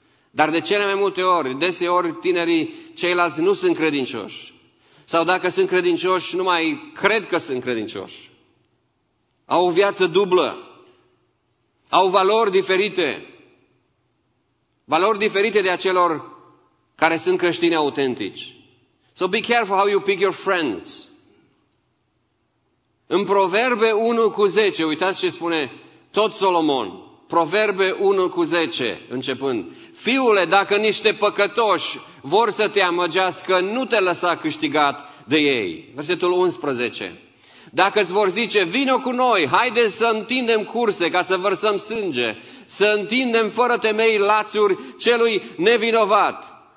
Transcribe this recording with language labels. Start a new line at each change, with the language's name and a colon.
Romanian: Dar de cele mai multe ori, deseori tinerii ceilalți nu sunt credincioși. Sau dacă sunt credincioși, nu mai cred că sunt credincioși. Au o viață dublă, au valori diferite. Valori diferite de acelor care sunt creștini autentici.
English: So be careful how you pick your friends.
Romanian: În Proverbe 1:10, uitați ce spune tot Solomon. Proverbe 1:10, începând. Fiule, dacă niște păcătoși vor să te amăgească, nu te lăsa câștigat de ei. Versetul 11. Dacă îți vor zice, vino cu noi, haide să întindem curse ca să vărsăm sânge, să întindem fără temei lațuri celui nevinovat.